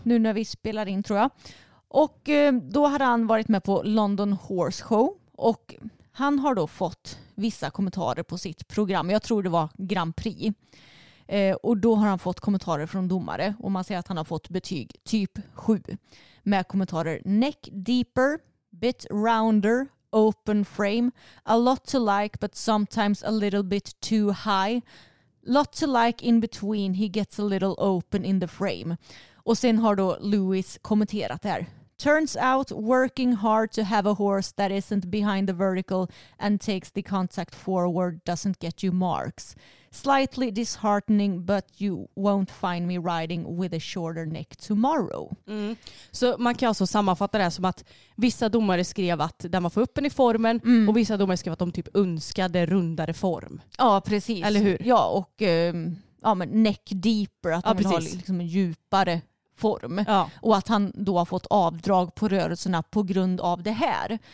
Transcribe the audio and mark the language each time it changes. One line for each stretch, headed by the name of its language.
Swedish: Nu när vi spelar in, tror jag. Och då hade han varit med på London Horse Show och... Han har då fått vissa kommentarer på sitt program. Jag tror det var Grand Prix. Och då har han fått kommentarer från domare. Och man säger att han har fått betyg typ 7. Med kommentarer
English: neck deeper, bit rounder, open frame, a lot to like but sometimes a little bit too high. Lot to like in between, he gets a little open in the frame.
Swedish: Och sen har då Lewis kommenterat det här.
English: Turns out working hard to have a horse that isn't behind the vertical and takes the contact forward doesn't get you marks. Slightly disheartening, but you won't find me riding with a shorter neck tomorrow. Mm.
Swedish: Så man kan alltså sammanfatta det här som att vissa domare skrev att där man får upp en i formen och vissa domare skrev att de typ önskade rundare form. Ja, precis. Eller hur? Ja, och ja, men
English: neck deeper,
Swedish: att de har liksom en djupare form. Ja. Och att han då har fått avdrag på rörelserna på grund av det här.